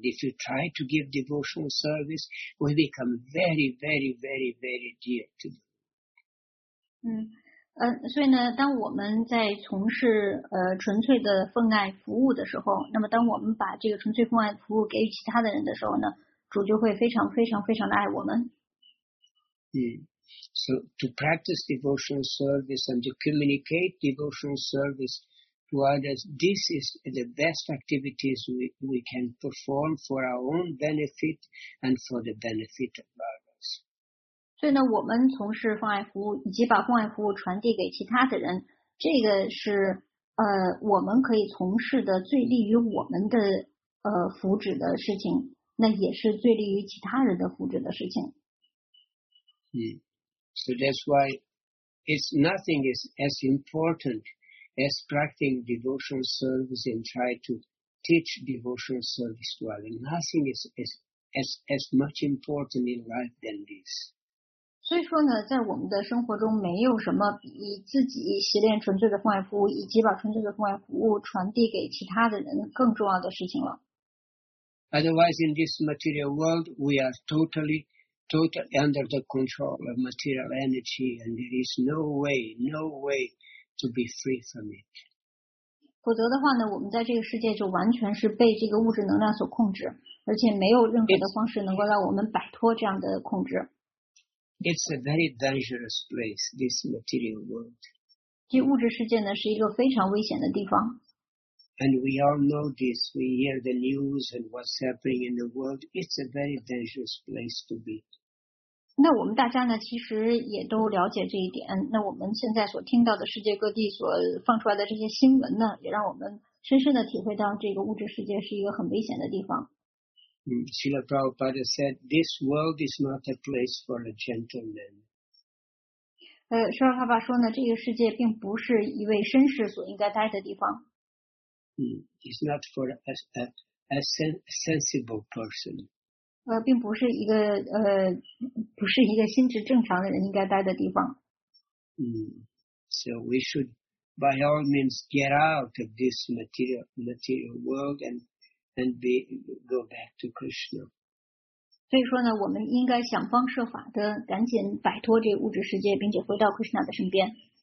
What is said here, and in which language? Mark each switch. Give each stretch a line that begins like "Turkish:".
English: If you try to give devotional service, we become very, very, very, very dear to Lord.
Chinese: 所以呢，当我们在从事纯粹的奉爱服务的时候，那么当我们把这个纯粹奉爱服务给予其他的人的时候呢，主就会非常非常非常的爱我们。
English: So to practice devotional service and to communicate devotional service to others, this is the best activities we can perform for our own benefit and for the benefit of God.
Chinese: 所以呢，我们从事奉爱服务以及把奉爱服务传递给其他的人，这个是我们可以从事的最利于我们的福祉的事情，那也是最利于其他人的福祉的事情。
English: So that's why it's nothing is as important as practicing devotional service and try to teach devotional service to others. Nothing is as much important in life than this.
Chinese: 所以说呢，在我们的生活中，没有什么比自己习练纯粹的奉爱服务，以及把纯粹的奉爱服务传递给其他的人更重要的事情了。
English: Otherwise, in this material world, we are totally totally under the control of material energy, and there is no way, no way to be free from it.
Chinese: 否则的话呢，我们在这个世界就完全是被这个物质能量所控制，而且没有任何的方式能够让我们摆脱这样的控制。
English: It's a very dangerous place, this material world.
Chinese: 这物质世界呢，是一个非常危险的地方。
English: And we all know this. We hear the news and what's happening in the world. It's a very dangerous place to be.
Chinese: 那我们大家呢，其实也都了解这一点。那我们现在所听到的世界各地所放出来的这些新闻呢，也让我们深深的体会到这个物质世界是一个很危险的地方。
English: Srila Prabhupada said, "This world is not a place for a gentleman."
Chinese: Srila Prabhupada 说呢，这个世界并不是一位绅士所应该待的地方。
English: It's not for a sensible person.
Chinese: 并不是一个不是一个心智正常的人应该待的地方。
English: So we should, by all means, get out of this material world and go back to Krishna.
Chinese: 所以说呢，我们应该想方设法的赶紧摆脱这个物质世界，并且回到 Krishna 的身边。